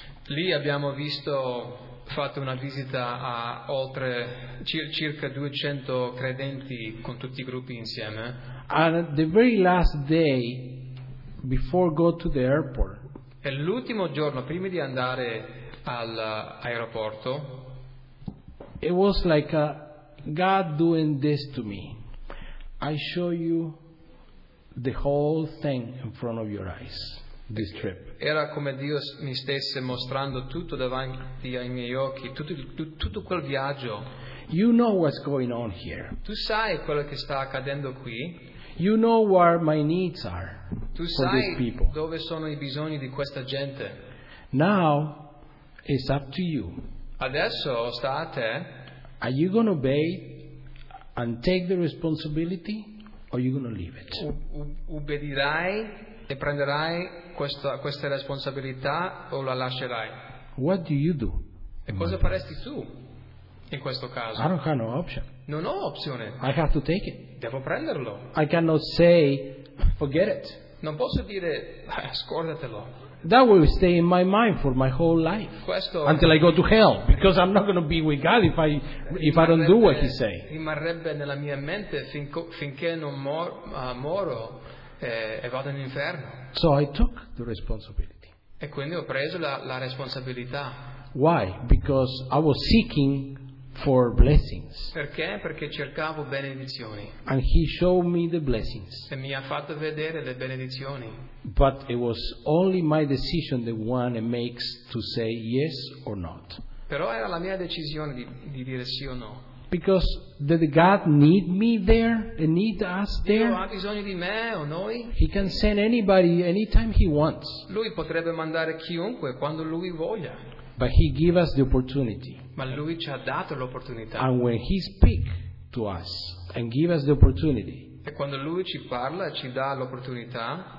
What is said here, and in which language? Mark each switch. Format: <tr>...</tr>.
<it>Lì abbiamo fatto una visita a oltre circa 200 credenti con tutti i gruppi insieme.</it> <en>And the very last day before go to the airport.</en> <it>E l'ultimo giorno prima di andare all'aeroporto.</it> <en>It was like a God doing this to me. I show you the whole thing in front of your eyes. This trip.</en> <it>Era come Dio mi stesse mostrando tutto davanti ai miei occhi, tutto quel viaggio.</it> <en>You know what's going on here.</en> <it>Tu sai quello che sta accadendo qui.</it> <en>You know where my needs are.</en> <it>Tu</it> <en>for</en> <it>sai</it> <en>these people.</en> <it>Dove sono i bisogni di questa gente.</it> <en>Now it's up to you.</en> <it>Adesso sta a te.</it> <en>Are you going to obey and take the responsibility, or are you going to leave it?</en> <it>Ubbedirai e prenderai questa responsabilità o la lascerai?</it> <en>What do you do?</en> <it>E cosa faresti tu in questo caso?</it> <en>I don't have no option.</en> <it>Non ho opzione.</it> <en>I have to take it.</en> <it>Devo prenderlo.</it> <en>I cannot say forget it.</en> <it>Non posso dire scordatelo.</it> <en>That will stay in my mind for my whole life.</en> <it>Questo</it> <en>until I go to hell, because I'm not going to be with God if I don't do what He say.</en> <it>Rimarrebbe nella mia mente finché non moro. E vado in inferno.</it> <en>So I took the responsibility.</en> <it>E quindi ho preso la responsabilità.</it> <en>Why? Because I was seeking for blessings.</en> <it>Perché? Perché cercavo benedizioni.</it> <en>And He showed me the blessings.</en> <it>E mi ha fatto vedere le benedizioni.</it> <en>But it was only my decision the one makes to say yes or not.</en> <it>Però era la mia decisione di dire sì o no.</it> <en>Because did God need me there and need us there?</en> <it>Dio ha bisogno di me o noi?</it> <en>He can send anybody anytime He wants.</en> <it>Lui potrebbe mandare chiunque quando lui voglia.</it> <en>But he gave us the opportunity.</en> <it>Ma lui ci ha dato l'opportunità.</it> <en>And when he speaks to us and gives us the opportunity,</en> <it>e quando lui ci parla e ci dà l'opportunità,</it>